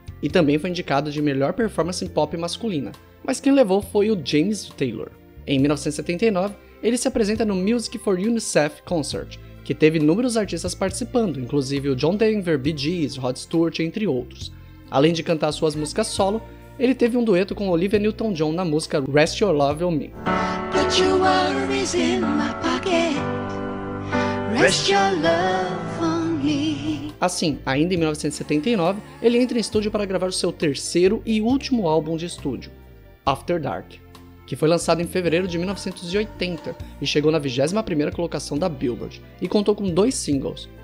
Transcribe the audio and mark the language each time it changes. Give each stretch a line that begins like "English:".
Portuguese: E também foi indicado de melhor performance em pop masculina, mas quem levou foi o James Taylor. Em 1979, ele se apresenta no Music for UNICEF Concert, que teve inúmeros artistas participando, inclusive o John Denver, Bee Gees, Rod Stewart, entre outros. Além de cantar suas músicas solo, ele teve um dueto com Olivia Newton-John na música Rest Your Love On Me.
English: Put your worries in my pocket. Rest your love on me.
Portuguese: Assim, ainda em 1979, ele entra em estúdio para gravar o seu terceiro e último álbum de estúdio, After Dark, que foi lançado em fevereiro de 1980 e chegou na 21ª colocação da Billboard, e contou com dois singles.